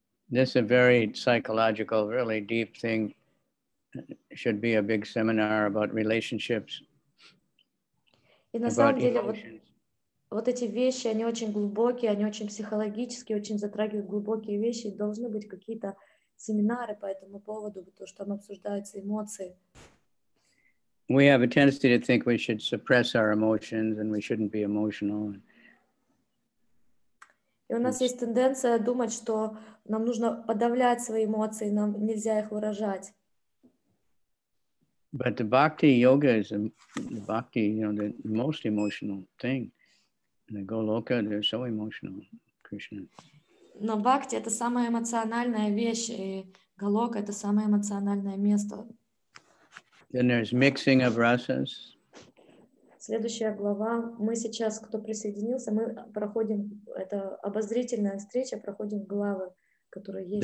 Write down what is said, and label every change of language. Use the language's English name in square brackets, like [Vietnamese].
[English] This is a very psychological, really deep thing. Should be a big seminar about relationships. [Russian] И на самом деле вот эти вещи, они очень глубокие, они очень психологические, очень затрагивают глубокие вещи. Должны быть какие-то семинары по этому поводу, потому что там обсуждаются эмоции. [English] We have a tendency to think we should suppress our emotions and we shouldn't be emotional. [Russian] И у нас есть тенденция думать, что нам нужно подавлять свои эмоции, нам нельзя их выражать. [English] But the bhakti yoga is the bhakti, you know, the most emotional thing. In the Goloka, they're so emotional, Krishna. [Russian] Но бхакти — это самая эмоциональная вещь, и Голока — это самое эмоциональное место. [English] Then there's mixing of rasas. [Russian] Следующая глава. Мы сейчас, кто присоединился, мы проходим, это обозрительная встреча, проходим главы, которые есть.